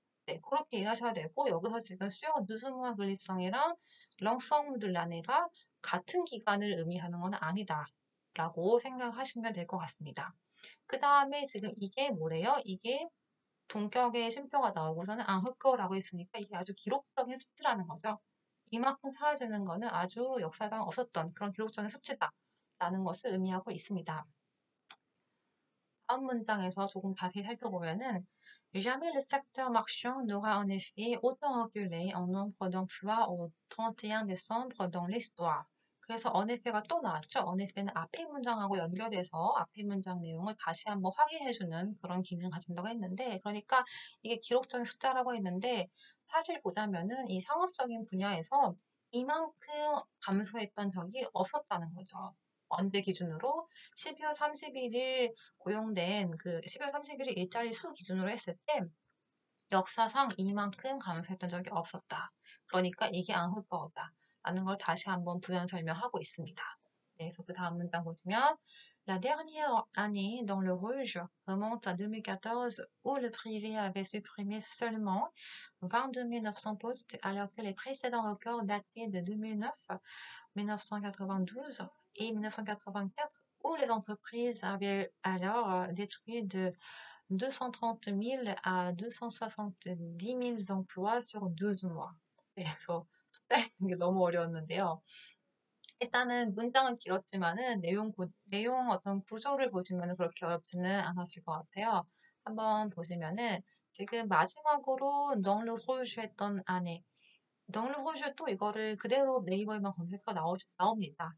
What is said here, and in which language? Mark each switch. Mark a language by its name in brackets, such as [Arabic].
[Korean] 네, 그렇게 이해하셔야 되고, 여기서 지금 수요 누수무화 글리성이랑 렁성무들란네가 같은 기간을 의미하는 건 아니다라고 생각하시면 될것 같습니다. 그 다음에 지금 이게 뭐래요? 이게 동격의 쉼표가 나오고서는 앙흑거라고 했으니까 이게 아주 기록적인 수치라는 거죠. 이만큼 사라지는 것은 아주 역사상 없었던 그런 기록적인 수치다라는 것을 의미하고 있습니다. 다음 문장에서 조금 자세히 살펴보면은 [French] Jamais le secteur marchand n'aura en effet autant reculé en nombre d'emplois au 31 décembre dans l'histoire. [Korean] 그래서 en effet가 또 나왔죠. en effet는 앞에 문장하고 연결해서 앞에 문장 내용을 다시 한번 확인해주는 그런 기능을 가진다고 했는데, 그러니까 이게 기록적인 숫자라고 했는데, 사실 보자면은 이 상업적인 분야에서 이만큼 감소했던 적이 없었다는 거죠. 언제 기준으로? 12월 31일 고용된 그 12월 31일 일자리 수 기준으로 했을 때 역사상 이만큼 감소했던 적이 없었다. 그러니까 이게 앙흑거다라는 걸 다시 한번 부연 설명하고 있습니다. 네, 그래서 그 다음 문장 보시면 [French] La dernière année dans le rouge remonte à 2014 où le privé avait supprimé seulement 22 900 postes alors que les précédents records dataient de 2009, 1992 et 1984 où les entreprises avaient alors détruit de 230 000 à 270 000 emplois sur 12 mois. [Korean] 그래서 숫자 읽는 게 너무 어려웠는데요. 일단은 문장은 길었지만은 내용 어떤 구조를 보시면은 그렇게 어렵지는 않았을 것 같아요. 한번 보시면은 지금 마지막으로 [French] dans le rouge [Korean] 했던 안에 dans le rouge 또 이거를 그대로 네이버에만 검색해 나옵니다.